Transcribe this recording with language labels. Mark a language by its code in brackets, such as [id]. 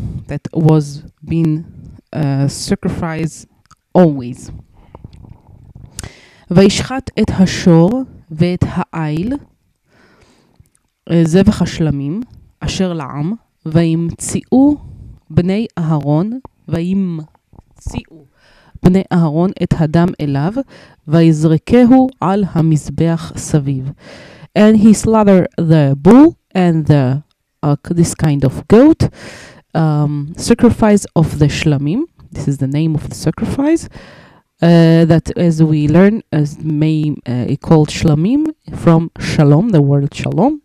[en] That was being sacrificed always. [he] וישחט את השור ואת העיל זבח השלמים אשר לעם וימציאו בני אהרון וימציאו בני אהרון את הדם אליו ויזרקהו על המזבח סביב. [en] And he slaughtered the bull and the this kind of goat, sacrifice of the shlamim, this is the name of the sacrifice, that as we learn as may it called shlamim from shalom, the word shalom.